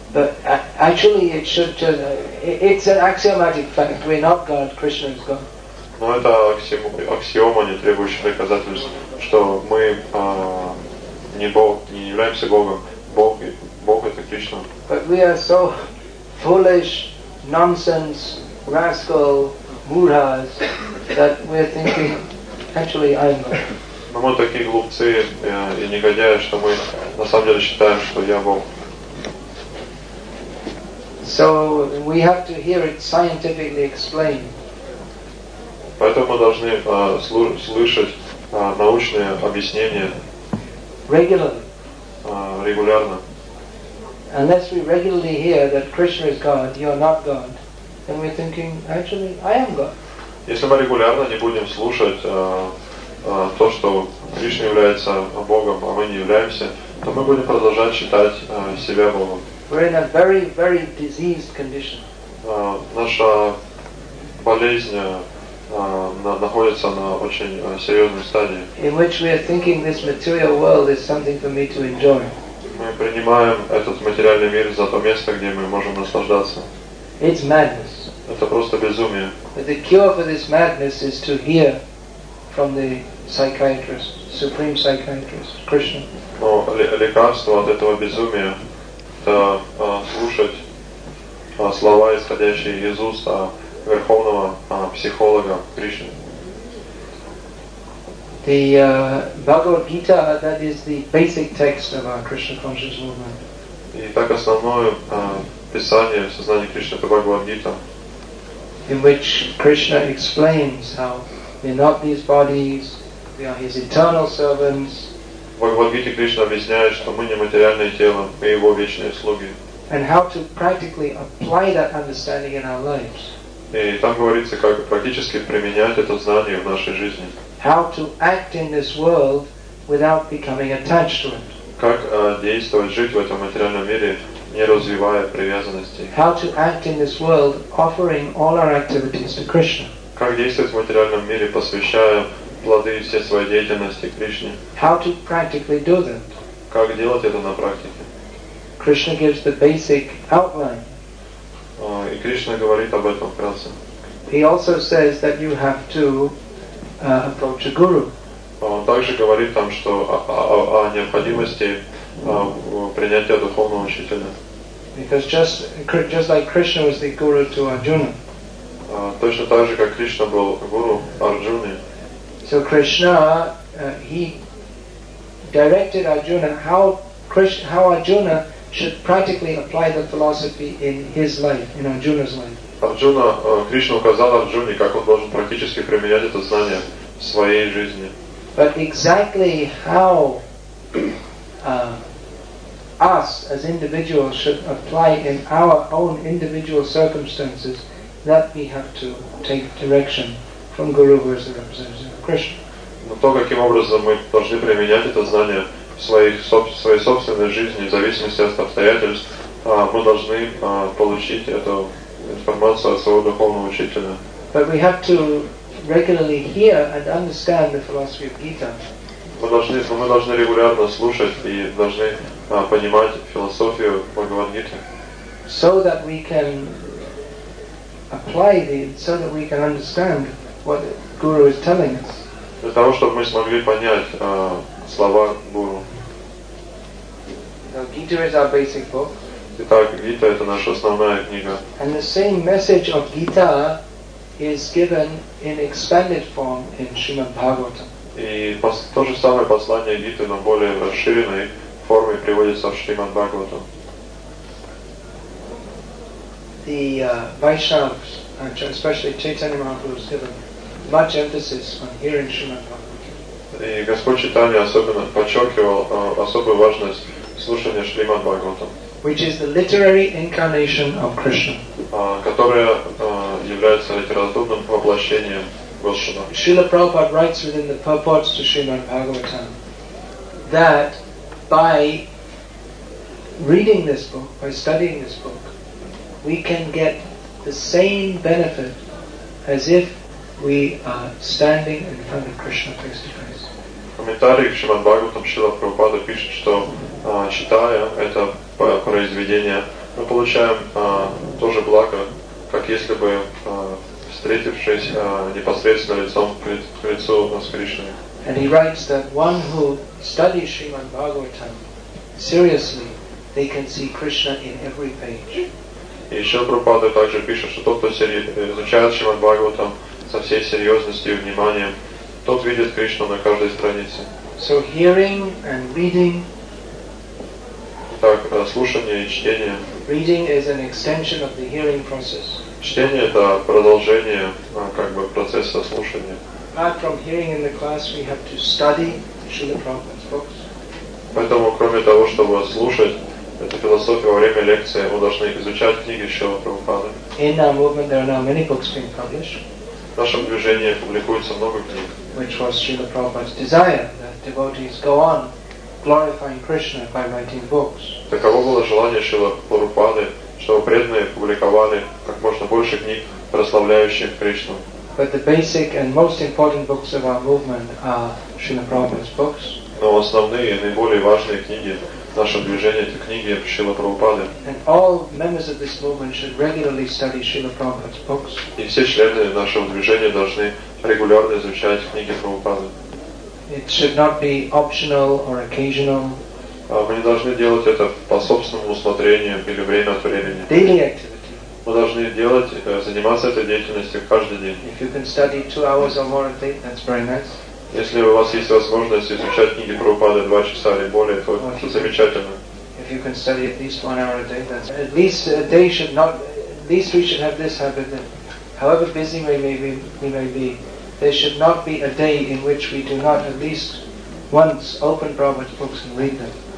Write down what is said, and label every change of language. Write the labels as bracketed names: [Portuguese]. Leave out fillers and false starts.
[English] But actually, it should just—it's an axiomatic fact. We're not God. Krishna is God. [Russian] Но это аксиома, не требующая доказательств, что мы не Бог, не являемся Богом. Бог это Кришна. [English] But we are so foolish, nonsense, rascal, murhas that we're thinking actually I'm God. [Russian] Но мы такие глупцы и негодяи, что мы на самом деле считаем, что я Бог. [English] So we have to hear it scientifically explained. [Russian] Поэтому мы должны слышать научные объяснения. [English] Regularly. [Russian] Регулярно. [English] Unless we regularly hear that Krishna is God, you are not God, then we're thinking, actually, I am God. [Russian] Если мы регулярно не будем слушать то, что Кришна является Богом, а мы не являемся, то мы будем продолжать считать себя Богом. [English] We're in a very, very diseased condition. [Russian] Наша болезнь находится на очень серьезной стадии. [English] In which we are thinking this material world is something for me to enjoy. [Russian] Мы принимаем этот материальный мир за то место, где мы можем наслаждаться. [English] It's madness. [Russian] Это просто безумие. [English] But the cure for this madness is to hear from the psychiatrist, supreme psychiatrist, Krishna. [Russian] Но лекарство от этого безумия. Это слушать слова, исходящие из уст верховного психолога Кришны. [English] The Bhagavad Gita, that is the basic text of our Krishna conscious movement. [Russian] И так основное писание сознания Кришны — это Бхагавад Гита. [English] In which Krishna explains how we are not these bodies, we are his eternal servants. [Russian] В Бхагавад-гите Кришна объясняет, что мы не материальное тело, мы его вечные слуги. [English] And how to practically apply that understanding in our lives. [Russian] И там говорится, как практически применять это знание в нашей жизни. [English] How to act in this world without becoming attached to it. [Russian] Как действовать, жить в этом материальном мире, не развивая привязанности. [English] How to act in this world, offering all our activities to Krishna. [Russian] Как действовать в материальном мире, посвящая плоды всей своей деятельности Кришне. [English] How to practically do that? [Russian] Как делать это на практике? [English] Krishna gives the basic outline. [Russian] И Кришна говорит об этом вкратце. [English] He also says that you have to approach a guru. [Russian] Он также говорит там, что о необходимости принятия духовного учителя. [English] Because just like Krishna was the guru to Arjuna. [Russian] Точно так же, как Кришна был гуру Арджуны. [English] So Krishna, he directed Arjuna how Arjuna should practically apply the philosophy in his life, in Arjuna's life. [Russian] Arjuna, Krishna указал Арджуне, как он должен практически применять это знание в своей жизни. [English] But exactly how us as individuals should apply in our own individual circumstances, that we have to take direction from Guru who is the representative. [Russian] Но то, каким образом мы должны применять это знание в своей собственной жизни, в зависимости от обстоятельств, мы должны получить эту информацию от своего духовного учителя. [English] But we have to regularly hear and understand the philosophy of Gita. [Russian] Мы должны регулярно слушать и должны понимать философию Бхагавад-гиты. [English] So that we can apply the, so that we can understand what the Guru is telling us. [Russian] Для того, чтобы мы смогли понять слова Гуру. [English] Now, Gita is our basic book. [Russian] Итак, Гита — это наша основная книга. [English] And the same message of Gita is given in expanded form in Srimad Bhagavatam. [Russian] И то же самое послание Гиты, но более расширенной форме приводится в Шримад Бхагаватам. [English] The Vaishnavas, especially Chaitanya Mahaprabhu, was given much emphasis on hearing Shrimad Bhagavatam. [Russian] И Господь Чайтанья особенно подчеркивал особую важность слушания Шримад Бхагаватам, [English] which is the literary incarnation of Krishna. [Russian] Которая является литературным воплощением Господа. [English] Srila Prabhupada writes within the purports to Srimad Bhagavatam that by reading this book, by studying this book, we can get the same benefit as if we are standing in front of Krishna face to face. [Russian] В комментариях к Шримад Бхагаватам Шрила Прабхупада пишет, что читая это произведение, мы получаем тоже благо, как если бы встретившись непосредственно лицом к лицу с Кришной. [English] And he writes that one who studies Srimad Bhagavatam seriously, they can see Krishna in every page. [Russian] И Шрила Прабхупада также пишет, что тот, кто изучает Шримад Бхагаватам со всей серьезностью и вниманием, тот видит Кришну на каждой странице. [English] So hearing and reading. [Russian] Так, слушание и чтение. [English] Reading is an extension of the hearing process. [Russian] Чтение — это продолжение как бы процесса слушания. [English] Apart from hearing in the class, we have to study Srila Prabhupada's books. [Russian] Поэтому, кроме того, чтобы слушать эту философию во время лекции, мы должны изучать книги Шрилы Прабхупады. [English] In our movement, there are now many books being published. [Russian] В нашем движении публикуется много книг. [English] Which was Srila Prabhupada's desire, that devotees go on glorifying Krishna by writing books. [Russian] Таково было желание Шрилы Прабхупады, чтобы преданные публиковали как можно больше книг, прославляющих Кришну. [English] But the basic and most important books of our movement are Srila Prabhupada's books. [Russian] Но основные, наиболее важные книги нашего движения — это книги Шрилы Прабхупады. [English] And all members of this movement should regularly study Srila Prabhupada's books. [Russian] И все члены нашего движения должны регулярно изучать книги Прабхупады. [English] It should not be optional or occasional. [Russian] Мы не должны делать это по собственному усмотрению или время от времени. [English] Daily activity. [Russian] Мы должны заниматься этой деятельностью каждый день. [English] If you can study 2 hours or more a day, that's very nice. [Russian] Если у вас есть возможность изучать книги Прабхупады 2 часа или более, то это замечательно. [English] If you can study at least 1 hour a day, that's at least a day should not. At least we should have this habit that, however busy we may be, there should not be a day in which we do not at least once open Prabhupada's books and read them.